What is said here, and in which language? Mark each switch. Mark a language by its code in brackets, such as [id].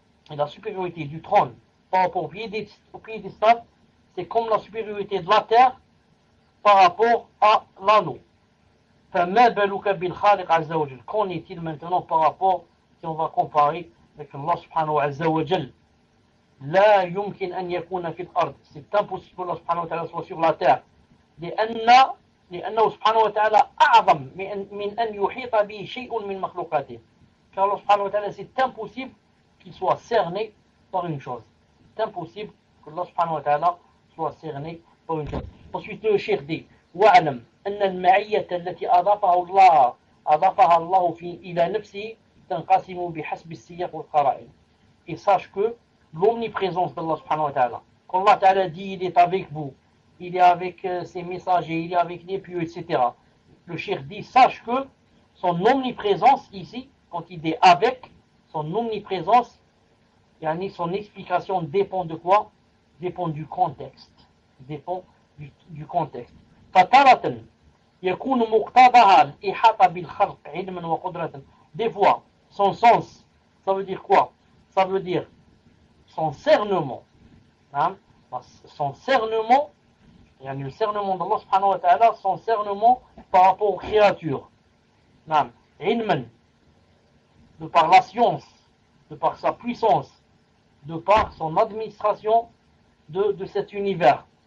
[fr] Et la supériorité du trône par rapport au piédestal, c'est comme la supériorité de la terre par rapport à l'anneau. [ar] فَمَّا بَلُوكَ بِالْخَالِقَ عَزَّ وَجَلْ [fr] Qu'en est-il maintenant par rapport, si on va comparer avec Allah subhanahu wa ta'ala, [ar] لا يمكن أن يكون في الأرض. [fr] C'est impossible que Allah subhanahu wa ta'ala soit sur la terre. [ar] لأنه subhanahu wa ta'ala أعظم من أن يحيط به شيء من مخلوقاته. [fr] Car Allah subhanahu wa ta'ala, c'est impossible qu'il soit cerné par une chose. C'est impossible que Allah subhanahu wa ta'ala soit cerné par une chose. Ensuite, le cheikh dit, [ar] وَعَلَمْ أَنَّ الْمَعِيَّةَ الَّتِي أَضَافَهَا اللَّهُ إِلَى نَفْسِهِ تَنْقَسِمُ بِحَسْبِ السِّيَّقِ وَالْقَرَائِنِ [fr] Et sache que l'omniprésence d'Allah subhanahu wa ta'ala, quand Allah ta'ala dit il est avec vous, il est avec ses messagers, il est avec les pieux, etc. Le cheikh dit, sache que son omniprésence ici, quand il est avec, son omniprésence, yani son explication dépend de quoi? Dépend du contexte. Dépend du contexte. [ar] فترة يكون مقتضاها الإحاطة بالخلق علما وقدرة. [fr] Des fois, son sens, ça veut dire quoi? Ça veut dire son cernement. Hein? Son cernement, il y a le cernement d'Allah subhanahu wa ta'ala, son cernement par rapport aux créatures. علما, de par la science, de par sa puissance, de par son administration de cet univers.